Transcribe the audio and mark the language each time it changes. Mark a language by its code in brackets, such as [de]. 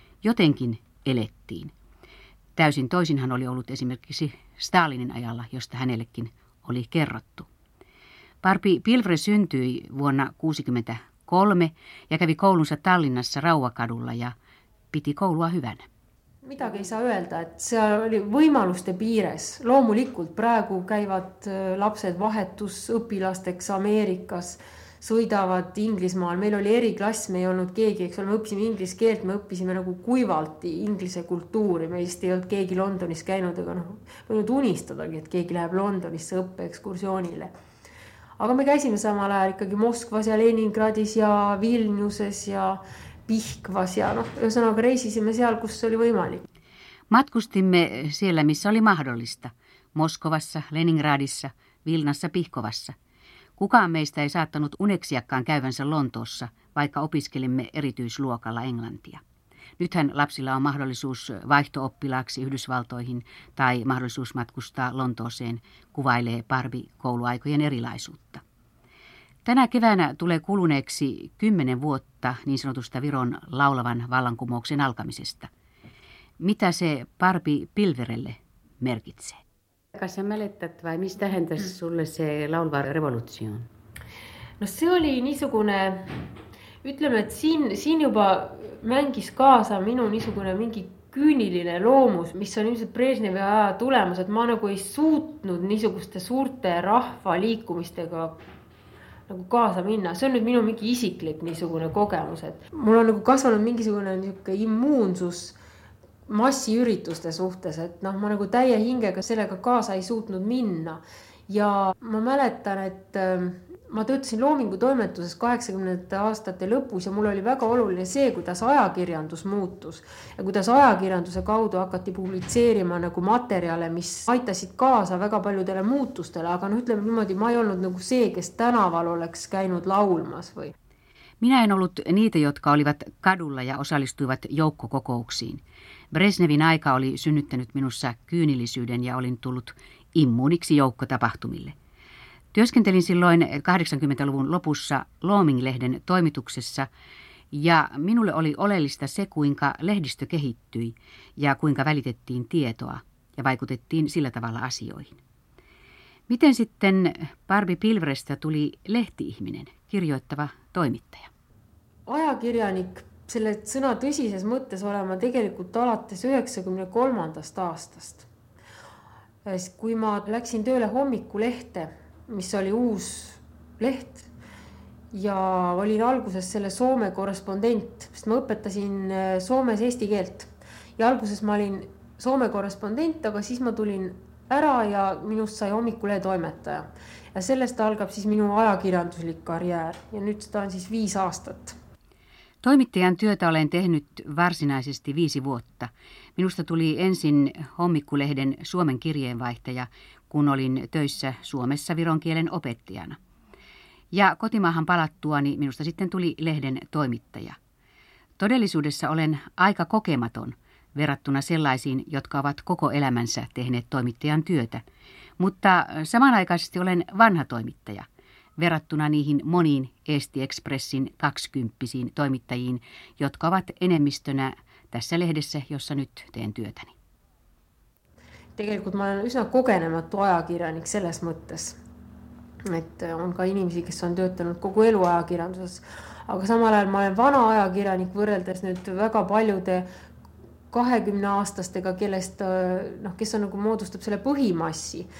[fi] Jotenkin elettiin. Täysin toisinhan oli ollut esimerkiksi Stalinin ajalla, josta hänellekin oli kerrottu. Parpi Pilvre syntyi vuonna 1963 ja kävi koulunsa Tallinnassa Rauvakadulla ja piti koulua hyvänä. [et] Midagi ei saa öelda, et see oli võimaluste piires. Loomulikult praegu käivad lapsed vahetus õpilasteks Ameerikas, sõidavad Inglismaal. Meil oli eri klass, me ei olnud keegi, eks ole, me õppisime ingliskeelt, me õppisime nagu kuivalti inglise kultuuri. Meist ei olnud keegi Londonis käinud, aga noh, võinud unistadagi, et keegi läheb Londonisse õppeekskursioonile. Aga me käisime samal ajal ikkagi Moskvas ja Leningradis ja Vilniuses ja Pihkvas ja noh, ühesõnaga reisisime seal, kus oli võimalik. [fi] Matkustimme siellä, missä oli mahdollista. Moskovassa, Leningradissa, Vilnassa, Pihkovassa. Kukaan meistä ei saattanut uneksiakkaan käyvänsä Lontoossa, vaikka opiskelimme erityisluokalla englantia. Nythän lapsilla on mahdollisuus vaihto-oppilaaksi Yhdysvaltoihin tai mahdollisuus matkustaa Lontooseen, kuvailee Parvi kouluaikojen erilaisuutta. Tänä keväänä tulee kuluneeksi 10 vuotta niin sanotusta Viron laulavan vallankumouksen alkamisesta. Mitä se Parvi Pilverelle merkitsee? [et] Kas sä mäletät vai mistä tähendäs sulle se laulava revolutsio? No se oli niisugune, ütleme, et siin juba mängis kaasa minu niisugune mingi küüniline loomus, mis on ilmselt Brežnevi aja tulemas, et ma nagu ei suutnud niisuguste suurte rahva liikumistega nagu kaasa minna. See on nüüd minu mingi isiklik niisugune kogemus, et mul on nagu kasvanud mingisugune niisugune immuunsus massiürituste suhtes, et noh, ma nagu täie hingega sellega kaasa ei suutnud minna. Ja ma mäletan, et ma töötasin loomingu toimetuses 80. aastate lõpus ja mul oli väga oluline see, kuidas ajakirjandus muutus ja kuidas ajakirjanduse kaudu hakati publitseerima nagu materjale, mis aitasid kaasa väga paljudele muutustele, aga noh, ütleme niimoodi, ma ei olnud nagu see, kes tänaval oleks käinud laulmas või. [fi] Minä en ollut niitä, jotka olivat kadulla ja osallistuivat joukkokokouksiin. Brezhnevin aika oli synnyttänyt minussa kyynillisyyden ja olin tullut immuuniksi joukkotapahtumille. Työskentelin silloin 80-luvun lopussa Looming-lehden toimituksessa ja minulle oli oleellista se, kuinka lehdistö kehittyi ja kuinka välitettiin tietoa ja vaikutettiin sillä tavalla asioihin. Miten sitten Barbie Pilvrestä tuli lehti-ihminen, kirjoittava toimittaja? [et] Ajakirjanik, selle sõna tõsises mõttes olema tegelikult alates 93. aastast. Kui ma läksin tööle hommikulehte, mis oli uus leht ja olin alguses selle Soome korrespondent, sest ma õpetasin Soomes eesti keelt ja alguses ma olin Soome korrespondent, aga siis ma tulin ära ja minust sai hommikulehe toimetaja. Ja sellest algab siis minu ajakirjanduslik karjäär ja nüüd seda on siis 5 aastat. [fi] Toimittajan työtä olen tehnyt varsinaisesti 5 vuotta. Minusta tuli ensin hommikkulehden Suomen kirjeenvaihtaja, kun olin töissä Suomessa viron kielen opettajana. Ja kotimaahan palattuani minusta sitten tuli lehden toimittaja. Todellisuudessa olen aika kokematon verrattuna sellaisiin, jotka ovat koko elämänsä tehneet toimittajan työtä. Mutta samanaikaisesti olen vanha toimittaja verrattuna niihin moniin Eesti Expressin 20-vuotiaisiin toimittajiin, jotka ovat enemmistönä tässä lehdessä, jossa nyt teen työtäni. [et] Tegelikult ma olen üsna kokenematu ajakirjanik selles mõttes, et on ka inimesi, kes on töötanud kogu elu ajakirjanduses, aga samal ajal ma olen vana ajakirjanik võrreldes nüüd väga paljude 20-aastastega, kellest, noh, kes on nagu moodustab selle põhimassi.